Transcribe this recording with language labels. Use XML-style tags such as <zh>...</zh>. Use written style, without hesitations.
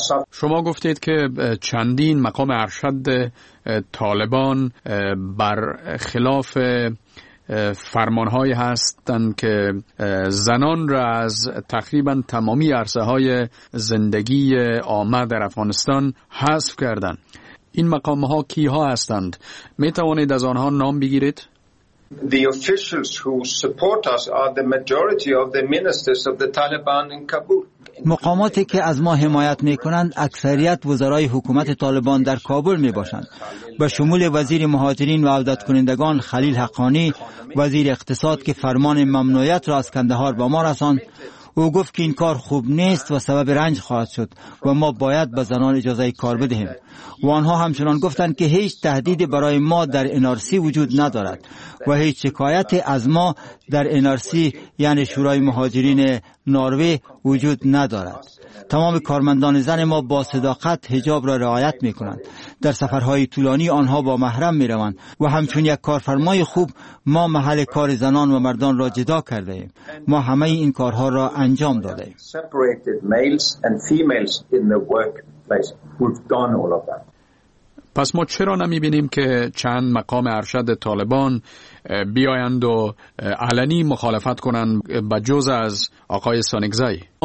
<fa>شما گفتید که چندین مقام ارشد طالبان بر خلاف فرمان هایی هستند که زنان را از تقریبا تمامی عرصه های زندگی عامه در افغانستان حذف کردند. این مقام ها کی ها هستند؟ می توانید از آنها نام بگیرید؟</fa> <en>The officials who support us are the majority of the ministers of the Taliban in Kabul.</en> <fa>مقاماتی که از ما حمایت میکنند اکثریت وزرای حکومت طالبان در کابل میباشند، به شمول وزیر مهاجرین و عودت کنندگان خلیل حقانی، وزیر اقتصاد که فرمان ممنوعیت را از کندهار به ما رساند. او گفت که این کار خوب نیست و سبب رنج خواهد شد و ما باید به زنان اجازه کار بدهیم. و آنها همچنان گفتند که هیچ تهدیدی برای ما در انارسی وجود ندارد و هیچ شکایت از ما در انارسی، یعنی شورای مهاجرین نروژ، وجود ندارد. تمام کارمندان زن ما با صداقت حجاب را رعایت می کنند. در سفرهای طولانی آنها با محرم می روند و همچون یک کارفرمای خوب ما محل کار زنان و مردان را جدا کرده ایم. ما همه این کارها را انجام داده ایم.</fa> <en>Separated males and females in the workplace. We've done all of that.</en> <fa>پس ما چرا نمیبینیم که چند مقام ارشد طالبان بیایند و علنی مخالفت کنند به جز از آقای سانگزای؟</fa>